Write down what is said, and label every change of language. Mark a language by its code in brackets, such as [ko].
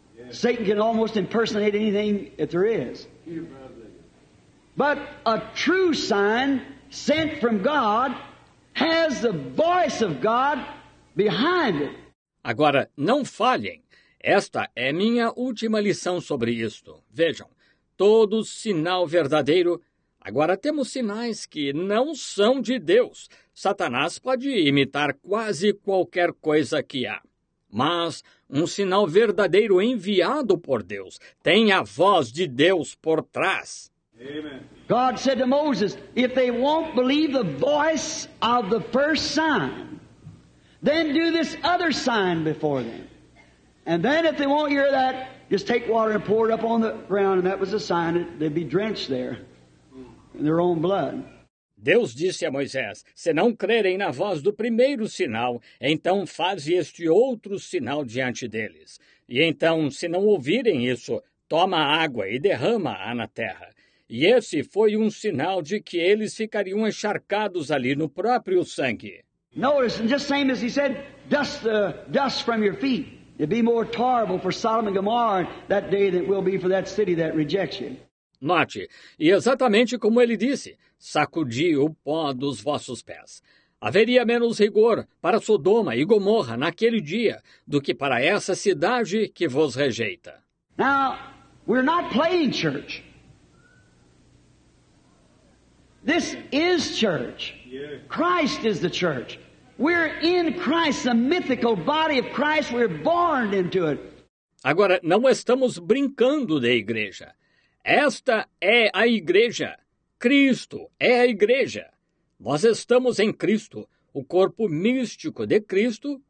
[en] Satan can almost impersonate anything that there is. But a true sign sent from God has the voice of God behind it. [pt] Agora, não falhem. Esta é minha última lição sobre isto. Vejam, todo sinal verdadeiro. Agora, temos sinais que não são de Deus. Satanás pode imitar quase qualquer coisa que há. Mas um sinal verdadeiro enviado por Deus tem a voz de Deus por trás. [en] Amen. God said to Moses, if they won't believe the voice of the first sign, then do this other sign before them. And then if they won't hear that, just take water and pour it up on the ground, and that was a sign that they'd be drenched there in their own blood. [pt] Deus disse a Moisés, se não crerem na voz do primeiro sinal, então faze este outro sinal diante deles. E então, se não ouvirem isso, toma água e derrama-a na terra. E esse foi um sinal de que eles ficariam encharcados ali no próprio sangue. [en] Notice, just same as he said, dust from your feet. It'd be more tolerable for Sodom and Gomorrah that day than it will be for that city that rejects you. [pt] Note, e exatamente como ele disse, sacudi o pó dos vossos pés. Haveria menos rigor para Sodoma e Gomorra naquele dia do que para essa cidade que vos rejeita. [en] Now, we're not playing church. This is church. Christ is the church. We're in Christ, the mythical body of Christ. We're born into it. [pt] Agora, não estamos brincando de igreja. Esta é a igreja. Cristo é a igreja. Nós estamos em Cristo, o corpo místico de Cristo.